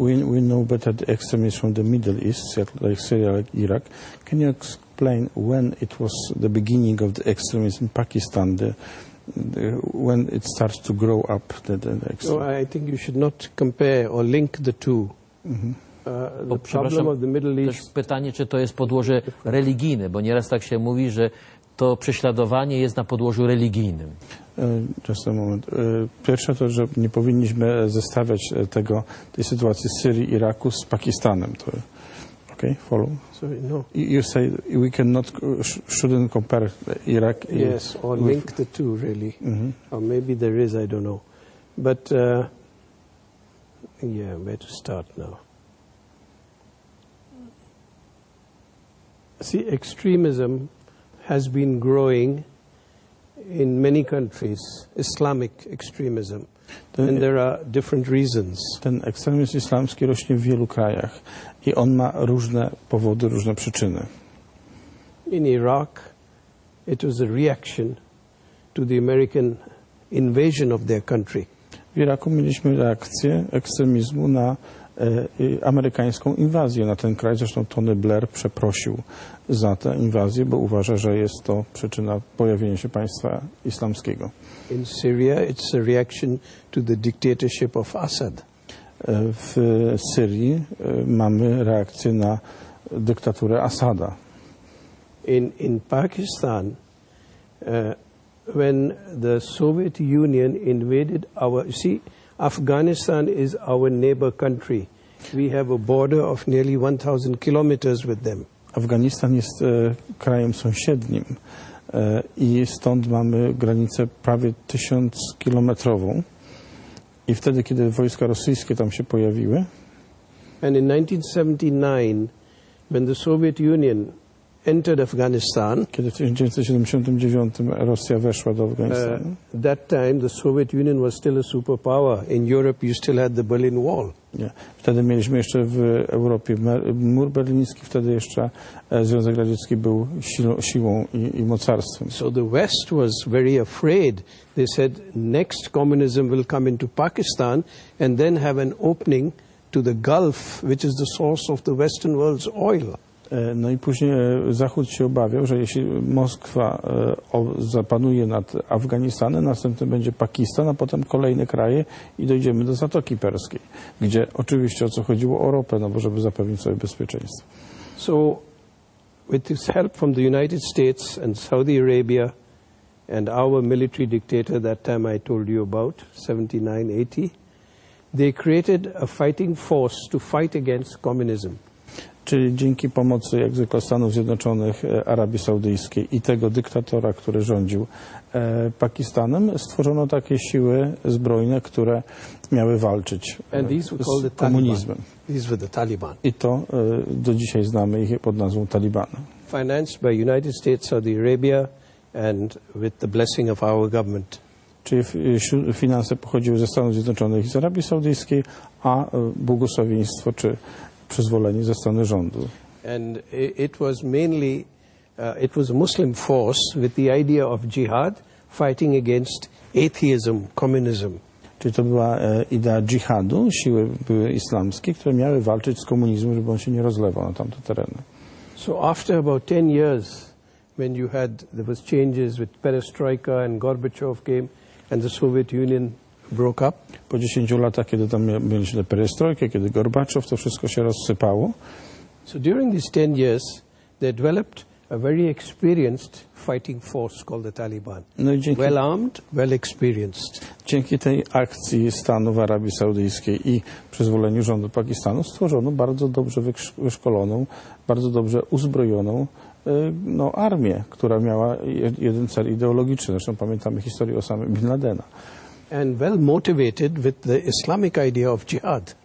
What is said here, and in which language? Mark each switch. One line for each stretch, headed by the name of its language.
English: We know better the extremists from the Middle East, like Syria, like Iraq. Can you explain when it was the beginning of the extremism in Pakistan, when it starts to grow up, the extremism? No, I think you should not compare or link the two. The problem of the Middle East.
Polish: Też pytanie, czy to jest podłoże religijne, bo nieraz tak się mówi, że to prześladowanie jest na podłożu religijnym.
English: Just a moment.
Polish: Pierwsze to, że nie powinniśmy zestawiać tego, tej sytuacji Syrii, Iraku z Pakistanem. To,
English: okay, follow? Sorry, no. You say we cannot, shouldn't compare Iraq. Yes, or with... link the two, really. Mm-hmm. Or maybe there is, I don't know. But, where to start now? See, extremism has been growing in many countries, Islamic extremism, and there are different reasons.
Polish: Ten ekstremizm islamski rośnie w wielu krajach i on ma różne powody, różne przyczyny.
English: In Iraq, it was a reaction to the American invasion of their country.
Polish: W Iraku mieliśmy reakcję ekstremizmu na amerykańską inwazję na ten kraj. Zresztą Tony Blair przeprosił za tę inwazję, bo uważa, że jest to przyczyna pojawienia się państwa islamskiego.
English: In Syria it's a reaction to the dictatorship of Assad.
Polish: W Syrii mamy reakcję na dyktaturę Asada.
English: In Pakistan, when the Soviet Union invaded our... See, Afghanistan is our neighbor country. We have a border of nearly 1,000 kilometers with them.
Polish: Afganistan jest krajem sąsiednim i stąd mamy granicę prawie 1,000-kilometrową. I wtedy, kiedy wojska rosyjskie tam się pojawiły...
English: And in 1979, when the Soviet Union entered Afghanistan...
Polish: Kiedy w 1979 Rosja weszła do Afganistanu...
English: That time the Soviet Union was still a superpower. In Europe you still had the Berlin Wall.
Polish: Nie. Wtedy mieliśmy jeszcze w Europie mur berliński, wtedy jeszcze Związek Radziecki był siłą i mocarstwem.
English: So the West was very afraid. They said next communism will come into Pakistan and then have an opening to the Gulf, which is the source of the Western world's oil.
Polish: No i później Zachód się obawiał, że jeśli Moskwa zapanuje nad Afganistanem, następnym będzie Pakistan, a potem kolejne kraje i dojdziemy do Zatoki Perskiej, gdzie oczywiście o co chodziło, o ropę, no bo żeby zapewnić sobie bezpieczeństwo.
English: So with his help from the United States and Saudi Arabia and our military dictator, that time I told you about, 79-80, they created a fighting force to fight against communism.
Polish: Czyli dzięki pomocy, jak zwykle, Stanów Zjednoczonych, Arabii Saudyjskiej i tego dyktatora, który rządził Pakistanem, stworzono takie siły zbrojne, które miały walczyć z komunizmem. I to do dzisiaj znamy ich pod nazwą Taliban.
English: Financed by United States, Saudi Arabia and with the blessing of our government.
Polish: Czyli finanse pochodziły ze Stanów Zjednoczonych i z Arabii Saudyjskiej, a błogosławieństwo czy przyzwolenie ze strony rządu.
English: And it was mainly it was a Muslim force with the idea of jihad fighting against atheism, communism.
Polish: Czyli to była idea dżihadu, siły były islamskie, które miały walczyć z komunizmem, żeby on się nie rozlewał na tamte tereny.
English: So after about 10 years when you had there was changes with perestroika and Gorbachev came and the Soviet Union broke up.
Polish: Po 10 latach, kiedy tam mieliśmy perestrojkę, kiedy Gorbaczow, to wszystko się rozsypało.
English: So during these 10 years, they developed a very experienced fighting force called the Taliban.
Polish: No i dzięki,
English: well armed, well experienced.
Polish: Dzięki tej akcji Stanów Arabii Saudyjskiej i przyzwoleniu rządu Pakistanu stworzono bardzo dobrze wyszkoloną, bardzo dobrze uzbrojoną no, armię, która miała jeden cel ideologiczny. Zresztą pamiętamy historię Osamy Bin Ladena.
English: And well motivated with the Islamic idea of jihad.